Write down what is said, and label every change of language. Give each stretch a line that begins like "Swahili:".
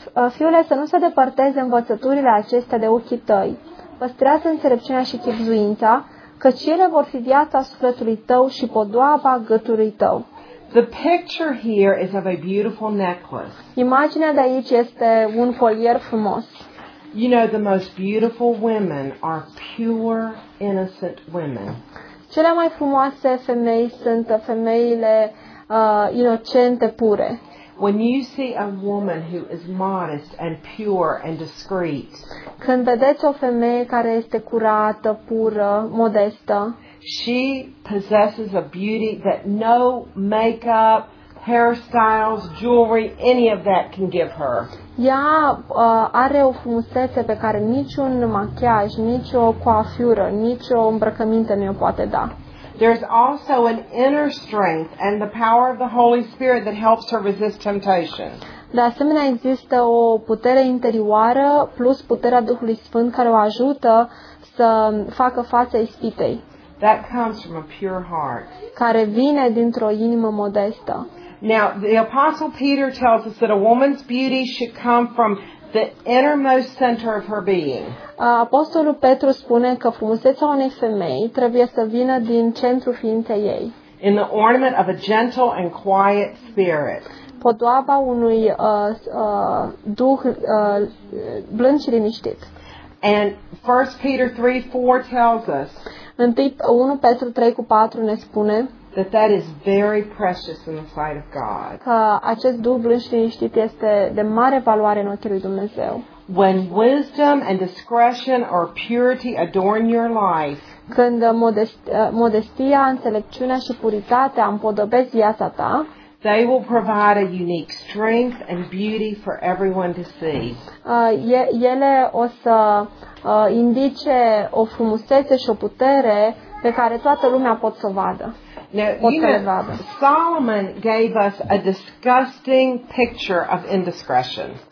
Romanian: Fiule, să nu se depărteze învățăturile acestea de ochii tăi. Păstrează înțelepciunea și chipzuința, căci ele vor fi viața sufletului tău și podoaba gâtului tău.
English: The picture here is of a beautiful necklace.
Romanian: Imaginea de aici este un colier frumos.
English: You know, the most beautiful women are pure, innocent women.
Romanian: Cele mai frumoase femei sunt femeile inocente, pure.
English: When you see a woman who is modest and pure and discreet,
Romanian: când vedeți o femeie care este curată, pură, modestă,
English: she possesses a beauty that no makeup, hairstyles, jewelry, any of that can give her.
Romanian: Ea are o frumusețe pe care niciun machiaj, nicio coafură, nicio îmbrăcăminte nu o poate da.
English: There's also an inner strength and the power of the Holy Spirit that helps her resist temptation.
Romanian: De asemenea, există o putere interioară plus puterea Duhului Sfânt care o ajută să facă față ispitei.
English: That comes from a pure heart.
Romanian: Care vine dintr-o inimă modestă.
English: Now, the Apostle Peter tells us that a woman's beauty should come from the innermost center of her being.
Romanian: Apostolul Petru spune că frumusețea unei femei trebuie să vină din centrul ființei ei.
English: In the ornament of a gentle and quiet spirit.
Romanian: Podoaba unui duh blând și liniștit.
English: And 1 Peter 3:4 tells us.
Romanian: 1 Petru 3:4 ne spune
English: that is very precious in the sight of God.
Romanian: Că acest duh blând și liniștit este de mare valoare în ochii lui Dumnezeu.
English: When wisdom and discretion or purity adorn your life,
Romanian: când modestia, înțelepciunea și puritatea împodobesc viața ta,
English: they will provide a unique strength and beauty for everyone to see.
Romanian: Ele o să indice o frumusețe și o putere pe care toată lumea pot să o vadă.
English: Now, Solomon gave us a disgusting picture of indiscretion.